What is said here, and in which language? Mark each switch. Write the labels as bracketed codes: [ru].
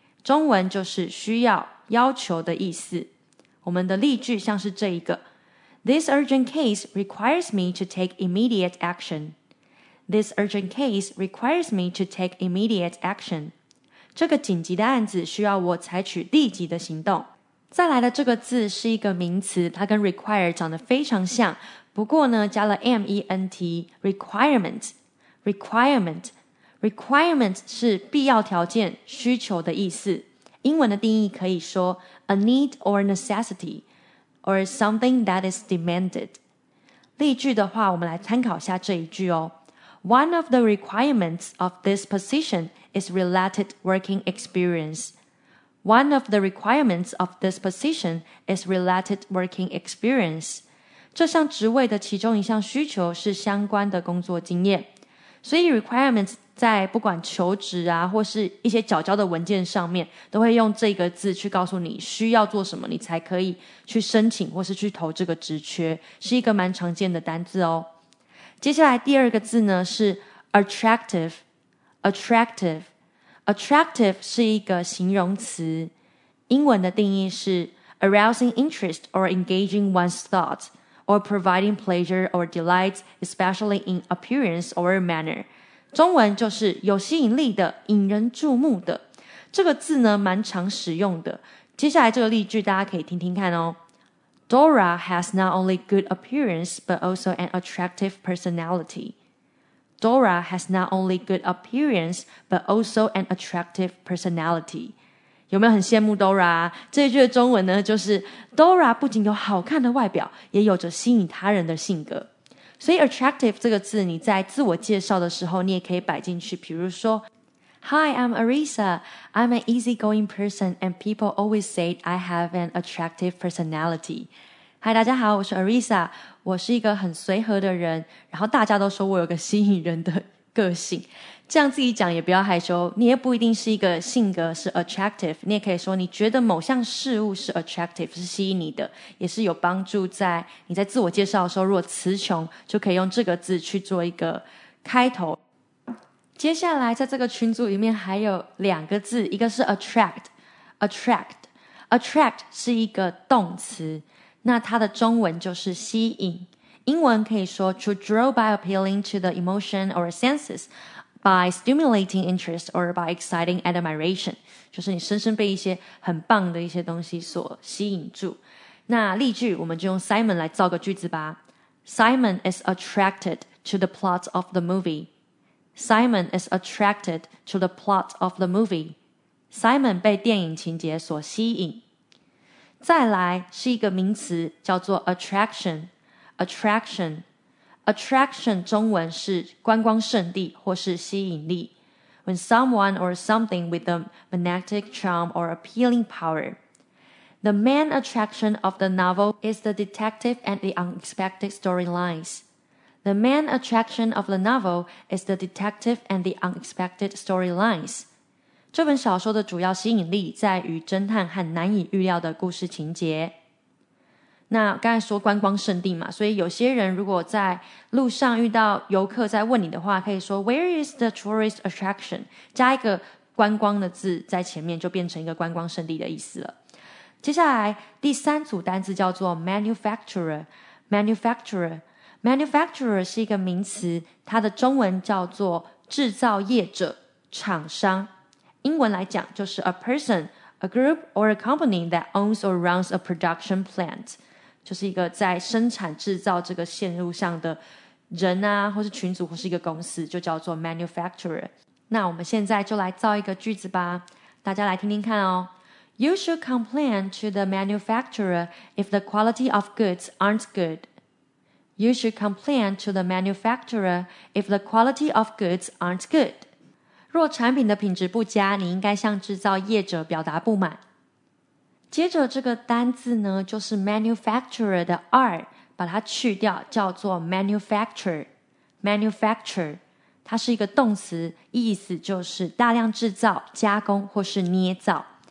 [zh] 中文就是需要、要求的意思。我们的例句像是这一个。 [en] This urgent case requires me to take immediate action. This urgent case requires me to take immediate action. [zh] 这个紧急的案子需要我采取立即的行动。再来的这个字是一个名词，它跟 require 长得非常像，不过呢加了 ment, requirement, [en] requirement. [zh] Requirement 是必要条件、需求的意思。英文的定义可以说 [en] a need or necessity, or something that is demanded. [zh] 例句的话，我们来参考一下这一句哦。 [en] One of the requirements of this position is related working experience. One of the requirements of this position is related working experience. [zh] 这项职位的其中一项需求是相关的工作经验。所以 requirements 在不管求职啊或是一些缴交的文件上面都会用这个字去告诉你需要做什么你才可以去申请或是去投这个职缺，是一个蛮常见的单字哦。接下来第二个字呢是 attractive, attractive. [en] Attractive [zh] 是一个形容词。英文的定义是 [en] arousing interest or engaging one's thought, or providing pleasure or delight, especially in appearance or manner. [zh] 中文就是有吸引力的、引人注目的。这个字呢蛮常使用的。接下来这个例句大家可以听听看哦。 [en] Dora has not only good appearance, but also an attractive personality. Dora has not only good appearance, but also an attractive personality. [zh] 有没有很羡慕 Dora? 这一句的中文呢就是 Dora 不仅有好看的外表，也有着吸引他人的性格。所以 attractive 这个字你在自我介绍的时候你也可以摆进去，比如说 [en] Hi, I'm Arisa. I'm an easygoing person and people always say I have an attractive personality. [zh] Hi, 大家好，我是 Arisa. 我是一个很随和的人，然后大家都说我有个吸引人的个性。这样自己讲也不要害羞，你也不一定是一个性格是 attractive, 你也可以说你觉得某项事物是 attractive, 是吸引你的，也是有帮助在你在自我介绍的时候，如果词穷就可以用这个字去做一个开头。接下来在这个群组里面还有两个字，一个是 attract, [en] attract, [zh] attract 是一个动词，那它的中文就是吸引。英文可以说 [en] to draw by appealing to the emotion or senses, by stimulating interest or by exciting admiration, [zh] 就是你深深被一些很棒的一些东西所吸引住。那例句我们就用 Simon 来造个句子吧。 [en] Simon is attracted to the plot of the movie. Simon is attracted to the plot of the movie. [zh] Simon 被电影情节所吸引。再来是一个名词叫做 attraction, [en] attraction. [zh] Attraction 中文是观光胜地或是吸引力。 [en] When someone or something with a magnetic charm or appealing power. The main attraction of the novel is the detective and the unexpected storylines. The main attraction of the novel is the detective and the unexpected storylines. [zh] 这本小说的主要吸引力在于侦探和难以预料的故事情节。那刚才说观光胜地嘛，所以有些人如果在路上遇到游客在问你的话，可以说 [en] Where is the tourist attraction? [zh] 加一个观光的字在前面，就变成一个观光胜地的意思了。接下来第三组单字叫做 manufacturer。 Manufacturer 是一个名词，它的中文叫做制造业者、厂商。英文来讲就是 [en] a person, a group or a company that owns or runs a production plant， [zh] 就是一个在生产制造这个线路上的人啊，或是群组，或是一个公司，就叫做 manufacturer。那我们现在就来造一个句子吧，大家来听听看哦。 [en] You should complain to the manufacturer if the quality of goods aren't good. You should complain to the manufacturer if the quality of goods aren't good. [zh] 若产品的品质不佳，你应该向制造业者表达不满。接着这个单字呢，就是 manufacturer 的 R， 把它去掉，叫做 manufacture。 manufacture 它是一个动词，意思就是大量制造、加工或是捏造。